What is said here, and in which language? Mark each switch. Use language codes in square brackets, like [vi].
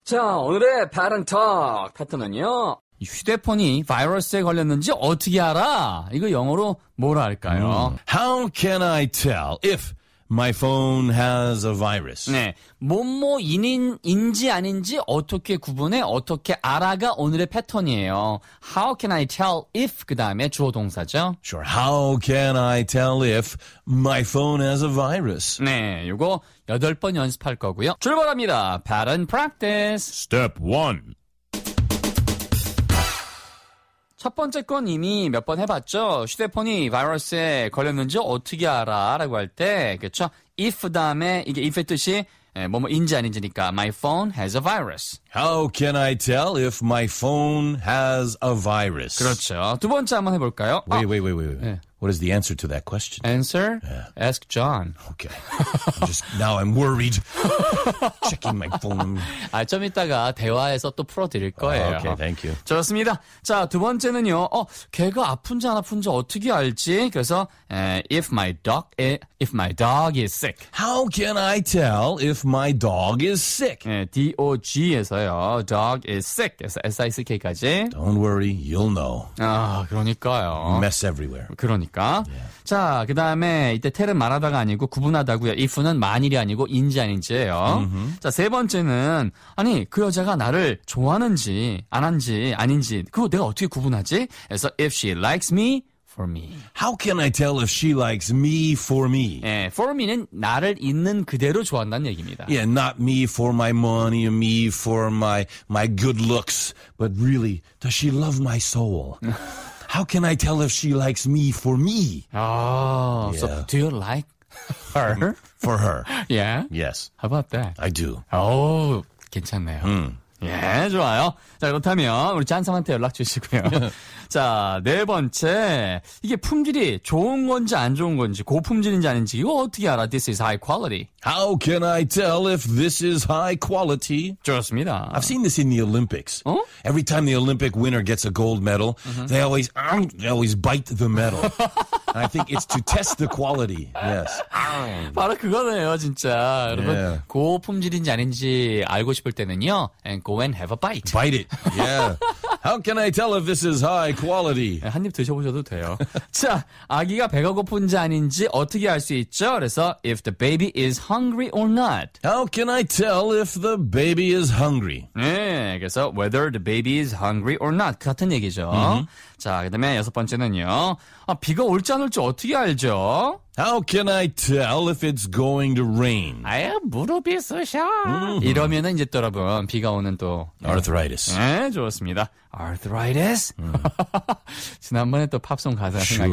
[ko] 자, 오늘의 Parentalk 패턴은요. 휴대폰이 바이러스에 걸렸는지 어떻게 알아? 이거 영어로 뭘 알까요? [en] How can I tell if my phone has a virus? [ko] 네, 뭐뭐인인지 아닌지 어떻게 구분해? 어떻게 알아가 오늘의 패턴이에요. [en] How can I tell if [ko] 그 다음에 주어 동사죠? [en] Sure. How can I tell if my phone has a virus? [ko] 네, 이거 여덟 번 연습할 거고요. 출발합니다. [en] Pattern practice. Step 1. [ko] 첫 번째 건 이미 몇 번 해봤죠? 휴대폰이 바이러스에 걸렸는지 어떻게 알아? 라고 할 때, 그쵸? If 다음에, 이게 if의 뜻이 뭐뭐인지 아닌지니까 [en] My phone has a virus. How can I tell if my phone has a virus? [ko] 그렇죠. 두 번째 한번 해볼까요? [en] Wait. 네. What is the answer to that question? Answer? Yeah. Ask John. Okay. Now I'm worried. Checking my phone. [ko] 아, 좀 이따가 대화에서 또 풀어드릴 거예요. [en] Okay, thank you. [ko] 좋습니다. 자, 두 번째는요. 걔가 아픈지 안 아픈지 어떻게 알지? [en] 그래서 if my dog is sick. How can I tell if my dog is sick? D-O-G에서요. Dog is sick. 그래서 S-I-C-K까지. Don't worry, you'll know. [ko] 아, 그러니까요. [en] Mess everywhere. [ko] 그러니까. Yeah. 자, 그 다음에 이때 tell은 말하다가 아니고 구분하다고요. if는 만일이 아니고 인지 아닌지예요. Mm-hmm. 자, 세 번째는 아니, 그 여자가 나를 좋아하는지 안 한지 아닌지 그거 내가 어떻게 구분하지? [en] 그래서 if she likes me, for me. How can I tell if she likes me for me? 예, for me는 나를 있는 그대로 좋아한다는 얘기입니다. Yeah, not me for my money, me for my good looks, but really, does she love my soul? How can I tell if she likes me for me? Oh, yeah. So do you like her? For her. Yeah? Yes. How about that? I do. [ko] Oh, 괜찮네요. Mm. 예, 좋아요. 자, 그렇다면 우리 잔삼한테 연락 주시고요. 자, 네 번째. 이게 품질이 좋은 건지 안 좋은 건지 고품질인지 아닌지 이거 어떻게 알아? [en] This is high quality. How can I tell if this is high quality? [ko] 좋습니다. [en] I've seen this in the Olympics. [ko] 어? [en] Every time the Olympic winner gets a gold medal, uh-huh. they always bite the medal. I think it's to test the quality. Yes. [ko] 바로 그거네요, 진짜. 여러분, yeah. 고품질인지 아닌지 알고 싶을 때는요. [en] And go and have a bite. Bite it. Yeah. How can I tell if this is high quality? [ko] 한 입 드셔보셔도 돼요. 자, 아기가 배가 고픈지 아닌지 어떻게 알 수 있죠? [en] 그래서 if the baby is hungry or not. How can I tell if the baby is hungry? [ko] 네, 그래서 [en] whether the baby is hungry or not. [ko] 같은 얘기죠. Mm-hmm. 자, 그 다음에 여섯 번째는요. 아, 비가 올지 안 올지 어떻게 알죠? [en] How can I tell if it's going to rain? [ko] 아야, 무릎이 쑤셔. Mm-hmm. 이러면 이제 또 여러분, 비가 오는 또. [en] Arthritis. [ko] 네, 좋습니다. Arthritis? Mm. 지난번에 또 팝송 가사 생각이